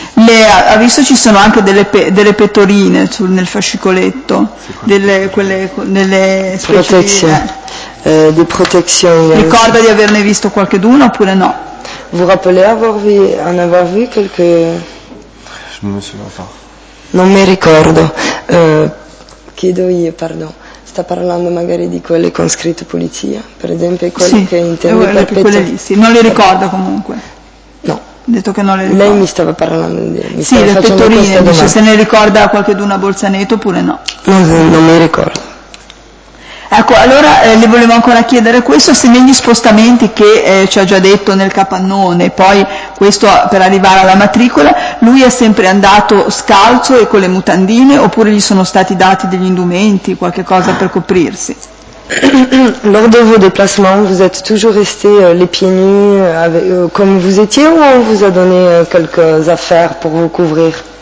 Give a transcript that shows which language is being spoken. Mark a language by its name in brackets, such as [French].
[Italian] Ha visto ci sono anche delle pettorine nel fascicoletto? Quelle protezioni. Di protezioni. Ricorda di averne visto qualcheduna oppure no? [French] Vous rappelez en avoir vu quelque... [Italian] Non mi ricordo. Chiedo io, pardon. Sta parlando magari di quelle con scritto polizia, per esempio, quelle sì, che intende per quelle lì, sì. Non le ricorda comunque. No. Detto che non le ricorda. Lei mi stava parlando di. Mi sì, stava le pettorine, dice se ne ricorda qualcheduna Bolzaneto oppure no. Non mi ricordo. Ecco, allora le volevo ancora chiedere questo, se negli spostamenti che ci ha già detto nel capannone, poi questo per arrivare alla matricola, lui è sempre andato scalzo e con le mutandine, oppure gli sono stati dati degli indumenti, qualche cosa per coprirsi? [French] Lors de vos déplacements, vous êtes toujours resté les pieds nus avec, comme vous étiez, ou on vous a donné quelques affaires pour vous couvrir?